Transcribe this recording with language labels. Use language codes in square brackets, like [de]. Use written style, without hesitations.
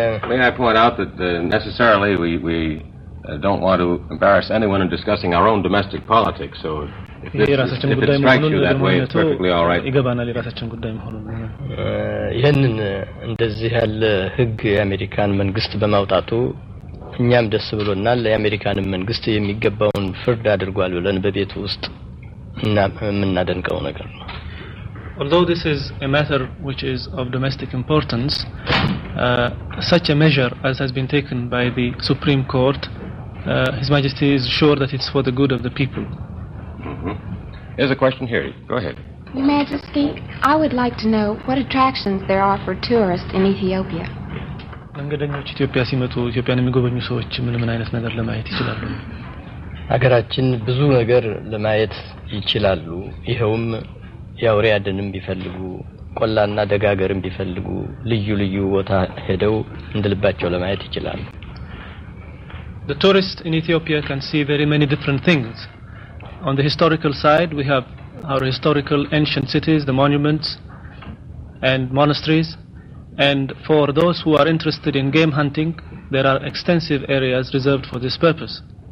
[en] May I point out that necessarily we don't want to embarrass anyone in discussing our own domestic politics so [am] የራሳችን ጉዳይ መሆኑን ይገባናል የራሳችን ጉዳይ መሆኑን ይሄንን እንደዚህ ያለ ህግ የአሜሪካን መንግስት በማውጣቱ እኛም ደስ ብሎናል ለአሜሪካንም መንግስት የሚገባውን ፍርድ አድርጓል ብለን በቤት ውስጥ እና እናደንቀው ነገር ነው [en] Although this is a matter which is of domestic importance such a measure as has been taken by the Supreme Court His Majesty is sure that it's for the good of the people There's a question here go ahead Your Majesty I would like to know what attractions there are for tourists in Ethiopia [am] እንግዲህ ኢትዮጵያ ሲመጡ ኢትዮጵያን የሚጎበኙ ሰዎች ምን ምን አይነት ነገር ለማየት ይችላሉ? ሀገራችን ብዙ ነገር ለማየት ይችላሉ። ይሄውም ያውሬ አደንም ቢፈልጉ ቆላና ደጋገርም ቢፈልጉ ልዩ ልዩ ቦታ ሄደው እንድልባቸው ለማየት ይችላሉ። [en] The tourist in Ethiopia can see very many different things. On the historical side, we have our historical ancient cities, the monuments and monasteries. And for those who are interested in game hunting, there are extensive areas reserved for this purpose.